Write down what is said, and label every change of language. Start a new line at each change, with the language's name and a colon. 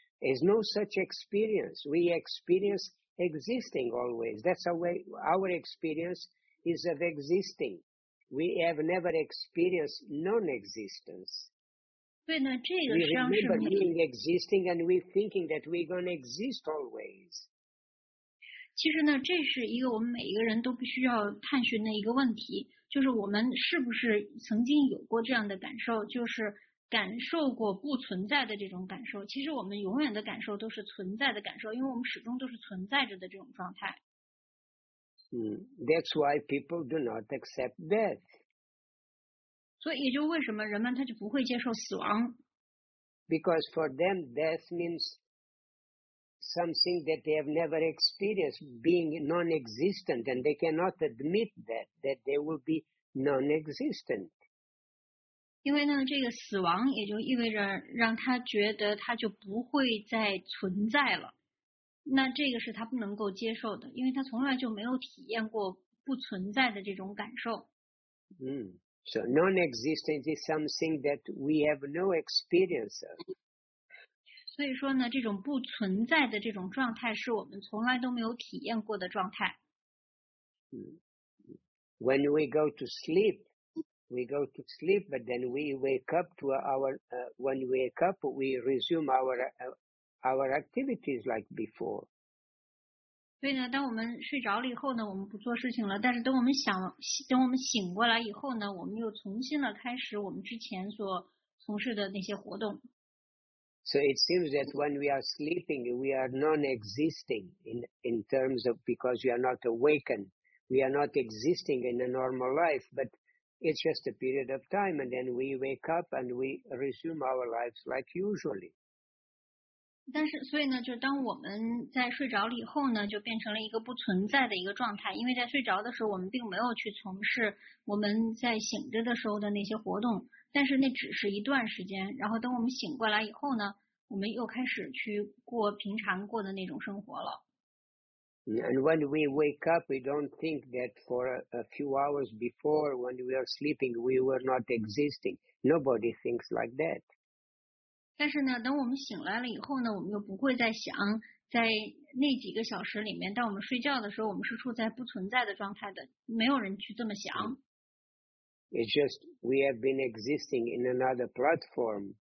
English: There's no such experience. We experience existing always. That's our way. Our experience is of existing. We have never experienced non-existence.
Chinese: 对呢，这个实际上是
English: we remember being existing and we thinking that we're going to exist always.
Chinese: 其实呢，这是一个我们每一个人都必须要探寻的一个问题，就是我们是不是曾经有过这样的感受，就是。感受过不存在的这种感受，其实我们永远的感受都是存在的感受，因为我们始终都是存在着的这种状态。
English: That's why people do not accept death.
Chinese: 所以也就为什么人们他就不会接受死亡。
English: Because for them death means something that they have never experienced, being non-existent, and they cannot admit that they will be non-existent.
Chinese: 因为呢，这个死亡也就意味着让他觉得他就不会再存在了，那这个是他不能够接受的，因为他从来就没有体验过不存在的这种感受。
English: So non-existence is something that we have no experience of.
Chinese: 所以说呢，这种不存在的这种状态是我们从来都没有体验过的状态。
English: When we go to sleep. We go to sleep, but then we wake up to when we wake up, we resume our activities like before.
Chinese: 所以呢，当我们睡着了以后呢，我们不做事情了。但是等我们醒过来以后呢，我们又重新的开始我们之前所从事的那些活动。
English: So it seems that when we are sleeping, we are non-existing in terms of because we are not awakened. We are not existing in a normal life, but. It's just a period of time, and then we wake up and we resume our lives like usually.
Chinese: 但是，所以呢，就当我们在睡着了以后呢，就变成了一个不存在的一个状态。因为在睡着的时候，我们并没有去从事我们在醒着的时候的那些活动。但是那只是一段时间，然后等我们醒过来以后呢，我们又开始去过平常过的那种生活了。
English: And when we wake up, we don't think that for a few hours before when we are sleeping, we were not existing. Nobody thinks like that.
Chinese: 但是呢，等我们醒来了以后呢，我们又不会再想在那几个小时里面，当我们睡觉的时候，我们是处在不存在的状态的，没有人去这么想。
English: It's just we have been existing in another platform.